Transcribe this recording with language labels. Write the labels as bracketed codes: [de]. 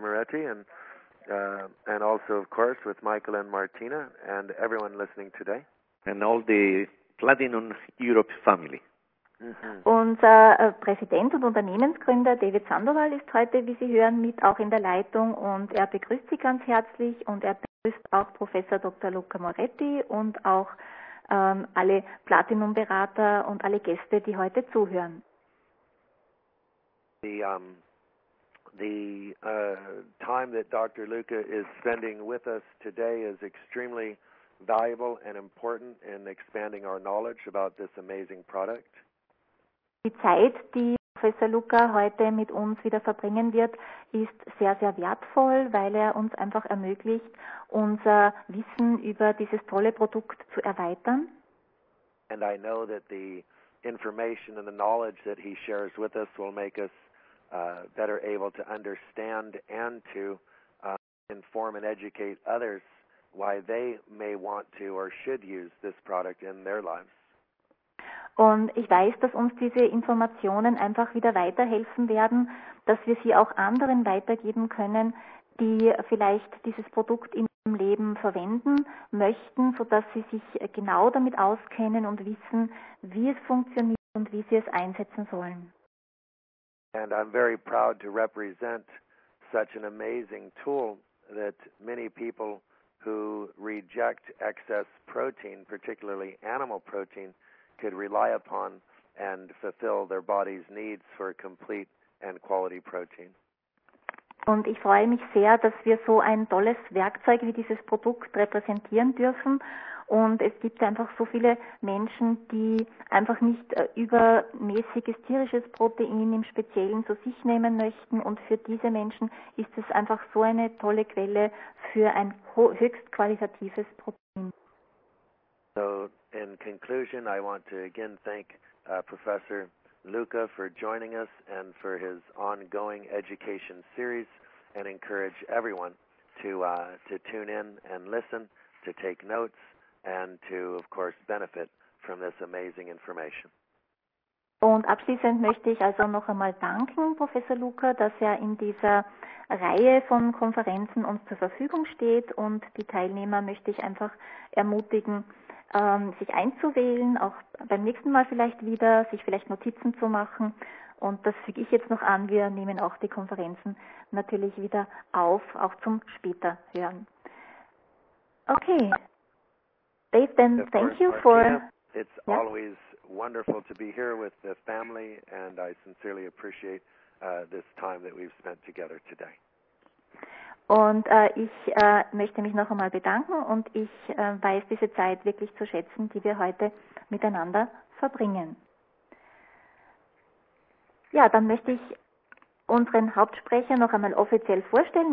[en] Moretti, and also, of course, with Michael and Martina and everyone listening today. And all the Platinum Europe family. Mm-hmm. [de] Unser Präsident und Unternehmensgründer David Sandoval ist heute, wie Sie hören, mit auch in der Leitung und er begrüßt Sie ganz herzlich und er begrüßt auch Professor Dr. Luca Moretti und auch alle Platinum-Berater und alle Gäste, die heute zuhören. [en] The time that Dr. Luca is spending with us today is extremely valuable and important in expanding our knowledge about this amazing product. [de] Die Zeit, die Professor Luca heute mit uns wieder verbringen wird, ist sehr, sehr wertvoll, weil er uns einfach ermöglicht, unser Wissen über dieses tolle Produkt zu erweitern. [en] And I know that the information and the knowledge that he shares with us will make us better able to understand and to inform and educate others why they may want to or should use this product in their lives. [de] Und ich weiß, dass uns diese Informationen einfach wieder weiterhelfen werden, dass wir sie auch anderen weitergeben können, die vielleicht dieses Produkt in ihrem Leben verwenden möchten, sodass sie sich genau damit auskennen und wissen, wie es funktioniert und wie sie es einsetzen sollen. [en] And I'm very proud to represent such an amazing tool that many people who reject excess protein, particularly animal protein, could rely upon and fulfill their body's needs for complete and quality protein. [de] Und ich freue mich sehr, dass wir so ein tolles Werkzeug wie dieses Produkt repräsentieren dürfen. Und es gibt einfach so viele Menschen, die einfach nicht übermäßiges tierisches Protein im Speziellen zu sich nehmen möchten. Und für diese Menschen ist es einfach so eine tolle Quelle für ein höchst qualitatives Protein. So [en] In conclusion, I want to again thank Professor Luca for joining us and for his ongoing education series, and encourage everyone to tune in and listen, to take notes, and to, of course, benefit from this amazing information. [de] Und abschließend möchte ich also noch einmal danken, Professor Luca, dass er in dieser Reihe von Konferenzen uns zur Verfügung steht. Und die Teilnehmer möchte ich einfach ermutigen, sich einzuwählen, auch beim nächsten Mal vielleicht wieder, sich vielleicht Notizen zu machen. Und das füge ich jetzt noch an. Wir nehmen auch die Konferenzen natürlich wieder auf, auch zum später hören. [en] Okay. Dave, then thank you for... It's always wonderful to be here with the family, and I sincerely appreciate this time that we've spent together today. [de] Und ich möchte mich noch einmal bedanken, und ich weiß diese Zeit wirklich zu schätzen, die wir heute miteinander verbringen. Ja, dann möchte ich unseren Hauptsprecher noch einmal offiziell vorstellen.